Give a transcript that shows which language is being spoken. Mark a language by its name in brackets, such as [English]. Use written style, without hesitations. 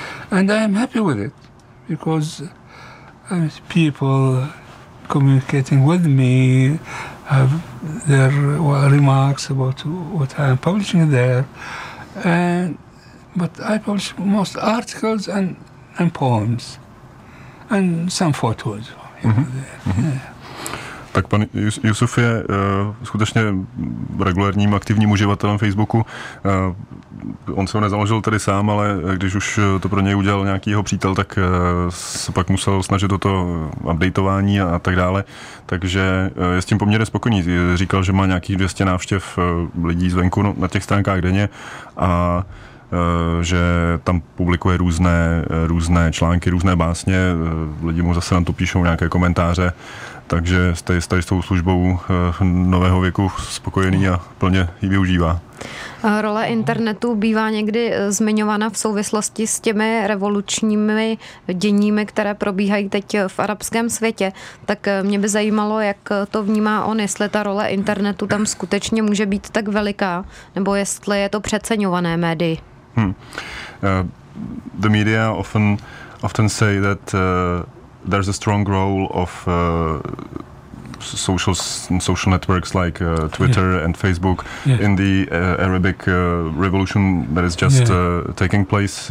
[English] And I am happy with it because I mean, people communicating with me have their remarks about what I am publishing there. And but I publish most articles and poems and some photos. Mm-hmm. Yeah. [Czech] Tak pan Jusuf je skutečně regulárním aktivním uživatelem Facebooku. on se ho nezaložil tedy sám, ale když už to pro něj udělal nějaký jeho přítel, tak se pak musel snažit o to updateování a tak dále. Takže je s tím poměrně spokojný. Říkal, že má nějakých 200 návštěv lidí zvenku na těch stránkách denně a že tam publikuje různé články, různé básně, lidi mu zase na to píšou nějaké komentáře, takže jste s tou službou nového věku spokojený a plně ji využívá. Role internetu bývá někdy zmiňována v souvislosti s těmi revolučními děními, které probíhají teď v arabském světě. Tak mě by zajímalo, jak to vnímá on, jestli ta role internetu tam skutečně může být tak veliká, nebo jestli je to přeceňované médií. [English] The media often say that there's a strong role of social networks like Twitter and Facebook in the Arabic revolution that is just taking place.